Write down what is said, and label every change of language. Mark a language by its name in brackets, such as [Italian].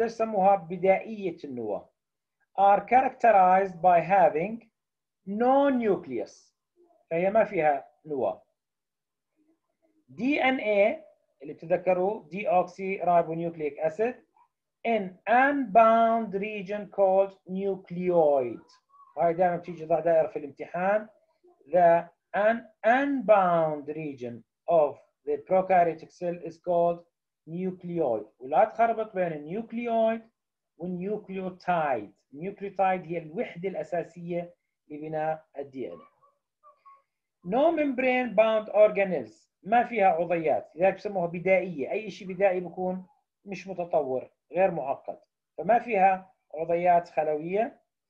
[Arabic] ليش سموها بدائية النواة؟ [English] are characterized by having no nucleus، [Arabic] فهي ما فيها نواة. DNA اللي بتذكروا [English] deoxyribonucleic acid in unbound region called nucleoid، [Arabic] هاي دائما بتيجي ضع دائرة في الامتحان. [English] The unbound region of the prokaryotic cell is called nucleoid، [Arabic] ولا تخربط بين النيوكليويد والنيوكليوتايد. النيوكليوتايد هي الوحدة الأساسية لبناء الدي ان ا. نو ممبرين باوند اورجانيلز، ما فيها عضيات، لذلك بسموها بدائية، أي شيء بدائي بكون مش متطور غير معقد، فما فيها عضيات خلوية.